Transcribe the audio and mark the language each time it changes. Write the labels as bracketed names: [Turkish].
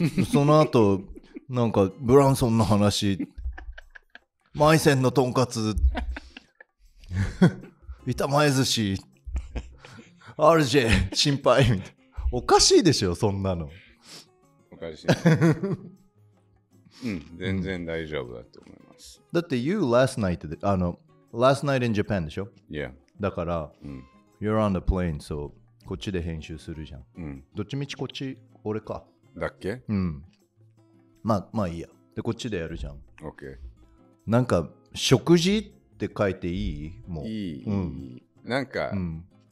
[Japanese] その後なんかブランソンの話、マイセンのとんかつ、板前寿司、RJ 心配みたい。おかしいでしょそんなの。おかしい。うん、全然大丈夫だと思います。だって [English] You last night [Japanese] で、あの [English] Last night in Japan [Japanese] でしょ。 [English] Yeah。 [Japanese] だから、うん、 [English] You're on the plane so。 [Japanese] こっちで編集するじゃん、うん、どっちみちこっち俺かだっけ、うん、まあいいや。でこっちでやるじゃん。 [English] OK。 [Japanese] なんか食事って書いていい？もういい、うん、なんか、うん、